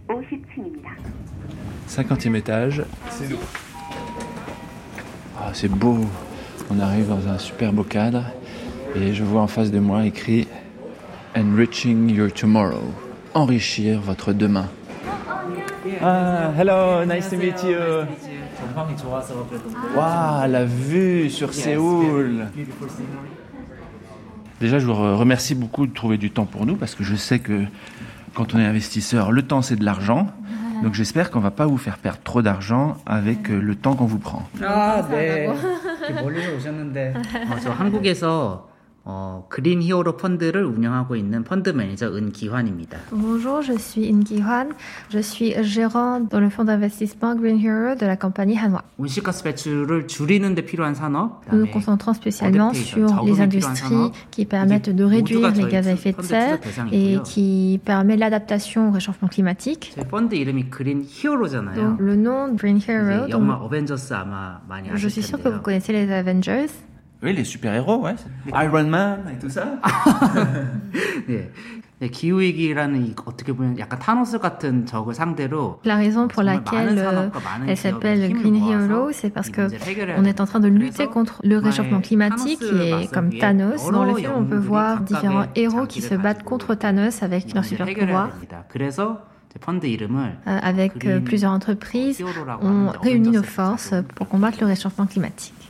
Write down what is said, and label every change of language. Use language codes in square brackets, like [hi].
[fr] 50e étage. C'est nous. Oh, c'est beau, on arrive dans un super beau cadre et je vois en face de moi écrit « [en] Enriching your tomorrow [fr] », enrichir votre demain. [en] Ah, hello, nice to meet you. [fr] Wow, la vue sur Séoul. Déjà, je vous remercie beaucoup de trouver du temps pour nous parce que je sais que quand on est investisseur, le temps c'est de l'argent. Donc j'espère qu'on ne va pas vous faire perdre trop d'argent avec le temps qu'on vous prend. Ah, mais... [ko] Green Hero Fund를 운영하고 있는 펀드 매니저 은기환입니다. [fr] Bonjour, je suis Un-Ki-Hwan. Je suis gérant dans le fonds d'investissement Green Hero de la compagnie Hanwha. [ko] 온실가스 배출을 줄이는 데 필요한 산업. [fr] Nous nous concentrons spécialement sur les industries qui permettent de réduire les gaz à effet de serre et qui permettent l'adaptation au réchauffement climatique. [ko] 제 펀드 이름이 Green Hero잖아요. [fr] Donc le nom Green Hero. [ko] 이제 영화 Avengers 아마 많이 아실 텐데요. [fr] Je suis sûr que vous connaissez les Avengers. Oui, les super-héros, ouais. Iron Man et tout ça. 네. [ko] 네, 기후 위기라는 어떻게 보면 약간 타노스 같은 적을 상대로 [fr] La raison pour laquelle elle s'appelle Green Hero, c'est parce que on est en train de lutter contre le réchauffement climatique qui est comme Thanos. Dans le film, on peut voir différents héros qui se battent contre Thanos avec leur super pouvoir. [ko] 그래서 펀드 이름을 [fr] avec plusieurs entreprises, on réunit nos forces pour combattre le réchauffement climatique.